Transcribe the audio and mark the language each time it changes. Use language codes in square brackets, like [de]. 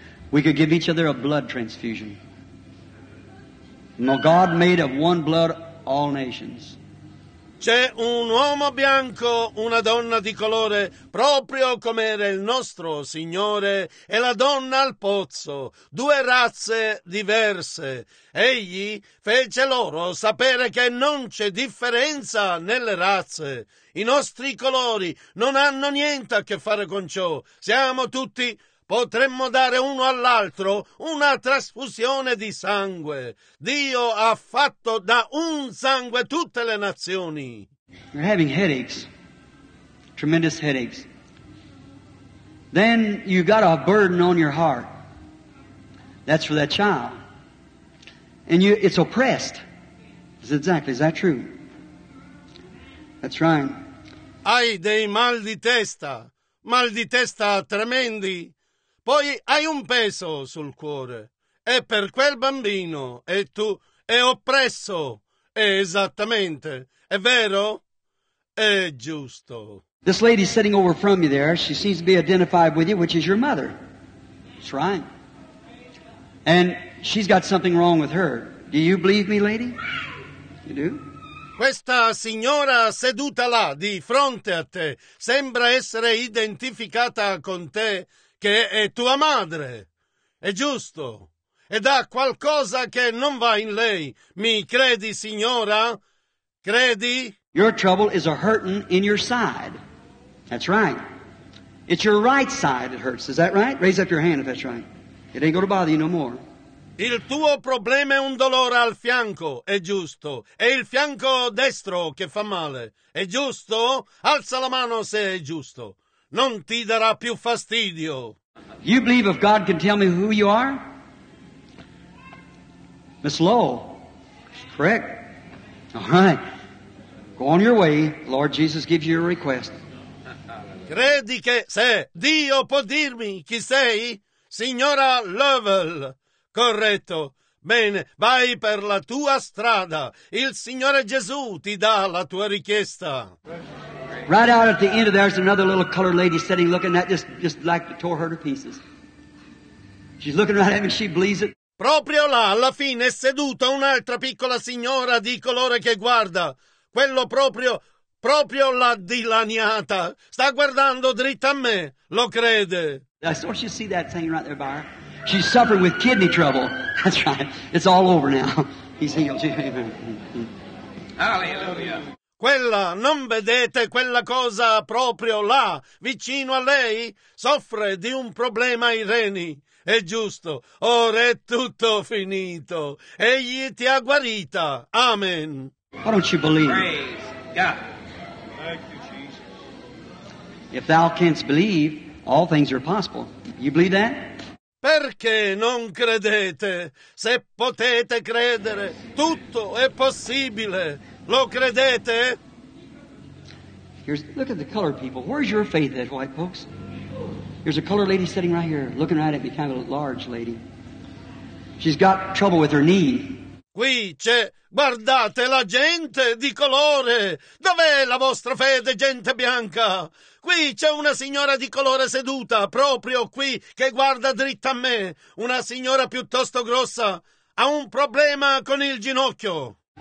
[en] We could give each other a blood transfusion. No, God made of one blood all nations. [it] C'è un uomo bianco, una donna di colore, proprio come era il nostro Signore, e la donna al pozzo, due razze diverse. Egli fece loro sapere che non c'è differenza nelle razze. I nostri colori non hanno niente a che fare con ciò. Siamo tutti... Potremmo dare uno all'altro una trasfusione di sangue. Dio ha fatto da un sangue tutte le nazioni. [en] You're having headaches, tremendous headaches. Then you got a burden on your heart. That's for that child. And you, it's oppressed. Is that true? That's right. [it] Hai dei mal di testa tremendi. Poi hai un peso sul cuore, è per quel bambino, e tu è oppresso, è esattamente, è vero? È giusto. [en] This lady sitting over from you there, she seems to be identified with you, which is your mother. That's right. And she's got something wrong with her. Do you believe me, lady? You do? [it] Questa signora seduta là, di fronte a te, sembra essere identificata con te, che è tua madre. È giusto. Ed ha qualcosa che non va in lei. Mi credi, signora? Credi? [en] Your trouble is a hurting in your side. That's right. It's your right side that hurts. Is that right? Raise up your hand if that's right. It ain't gonna bother you no more. [it] Il tuo problema è un dolore al fianco. È giusto. È il fianco destro che fa male. È giusto? Alza la mano se è giusto. Non ti darà più fastidio. [en] You believe if God can tell me who you are? Miss Lowell. Correct. All right. Go on your way. Lord Jesus gives you a request. [it] Credi che se Dio può dirmi chi sei? Signora Lovell. Corretto. Bene, vai per la tua strada. Il Signore Gesù ti dà la tua richiesta. [en] Right out at the end of there's another little colored lady sitting looking at this, just like it tore her to pieces. She's looking right at me, she believes it. [it] Proprio là, alla fine, è seduta un'altra piccola signora di colore che guarda. Quello proprio la dilaniata. Sta guardando dritto a me, lo crede. [en] I saw she see that thing right there by her. She's suffering with kidney trouble. That's right. It's all over now. He's healed. Hallelujah. [it] Quella, non vedete quella cosa proprio là, vicino a lei? Soffre di un problema ai reni. È giusto. Ora è tutto finito. Egli ti ha guarita. Amen. [en] Why don't you believe? Praise God. Thank you, Jesus. If thou canst believe, all things are possible. You believe that? [it] Perché non credete? Se potete credere, tutto è possibile. Lo credete? [en] Here's, look at the colored people. Where's your faith at, white folks? Here's a colored lady sitting right here, looking right at me, kind of a large lady. She's got trouble with her knee. [it] Qui c'è, guardate la gente di colore. Dov'è la vostra fede, gente bianca? Qui c'è una signora di colore seduta, proprio qui, che guarda dritta a me. Una signora piuttosto grossa. Ha un problema con il ginocchio.